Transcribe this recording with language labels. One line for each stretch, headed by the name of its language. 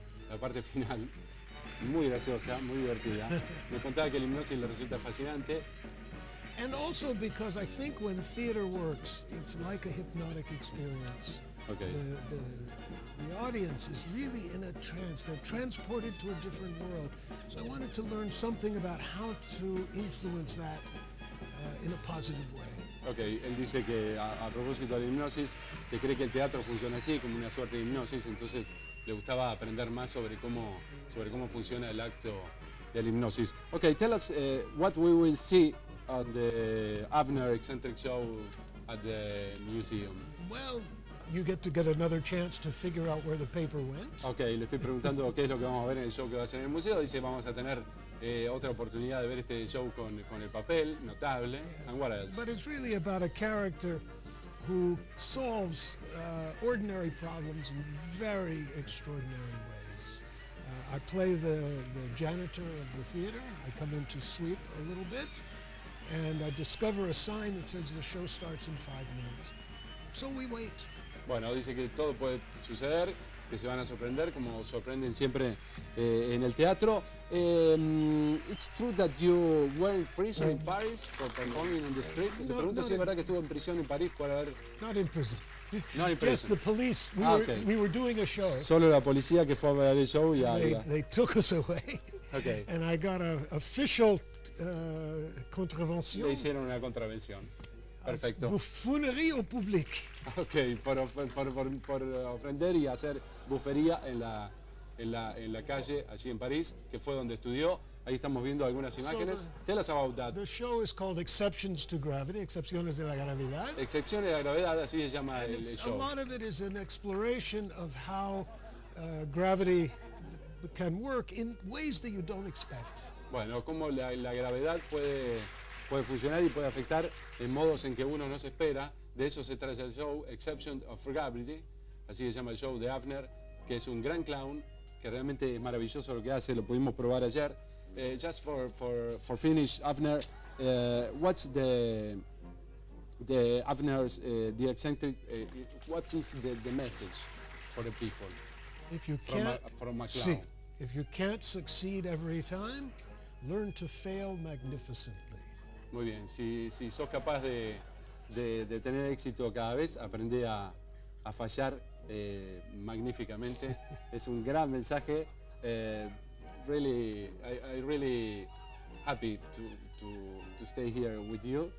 Spanish: La parte final, muy graciosa, muy divertida. Me contaba que la hipnosis le resulta fascinante.
English: And also because I think when theater works, it's like a hypnotic experience. Okay. The audience is really in a trance. They're transported to a different world. So I wanted to learn something about how to influence that in a positive way.
Spanish: Okay, él dice que a propósito de la hipnosis, que cree que el teatro funciona así, como una suerte de hipnosis, entonces le gustaba aprender más sobre cómo funciona el acto de la hipnosis.
English: Okay, tell us what we will see on the Avner Eccentric Show at the museum. Well, you get another chance to figure out where the paper went.
Spanish: Okay, le estoy preguntando qué es lo que vamos a ver en el show que va a ser en el museo. Dice, vamos a tener otra oportunidad de ver este show con el papel, notable.
English: Yeah. And what else? But it's really about a character who solves ordinary problems in very extraordinary ways. I play the janitor of the theater. I come in to sweep a little bit, and I discover a sign that says the show starts in 5 minutes. So we wait.
Spanish: Bueno, dice que todo puede suceder, que se van a sorprender, como sorprenden siempre en el teatro.
English: It's true that you were in prison in Paris for performing in the street.
Spanish: Le pregunto si es verdad que estuvo en prisión en París por haber...
English: Not in prison. Not in prison. Just the police. We were doing a show.
Spanish: Solo la policía que fue a ver el show y...
English: They took us away. Okay. And I got an official contravention.
Spanish: Le hicieron una contravención. Perfecto.
French: Buffonería au public.
Spanish: Okay, por ofender y hacer bufería en la calle allí en París, que fue donde estudió. Ahí estamos viendo algunas imágenes.
English: So the, tell us about that. The show is called Exceptions to Gravity, Excepciones de la Gravedad.
Spanish: Excepciones de la Gravedad, así se llama el show. A lot of it is an exploration of how gravity can work in ways that you don't expect. Bueno, cómo la gravedad puede funcionar y puede afectar en modos en que uno no se espera. De eso se trata el show, Exception of Gravity, así se llama el show de Avner, que es un gran clown, que realmente es maravilloso lo que hace, lo pudimos probar ayer.
English: Just for finish, Avner, what's the Avner's, the eccentric, what is the message for the people if you from, can't, a, from a clown? See, if you can't succeed every time, learn to fail magnificently.
Spanish: Muy bien, si sos capaz de tener éxito cada vez, aprende a fallar magníficamente. Es un gran mensaje.
English: Really, I really happy to stay here with you.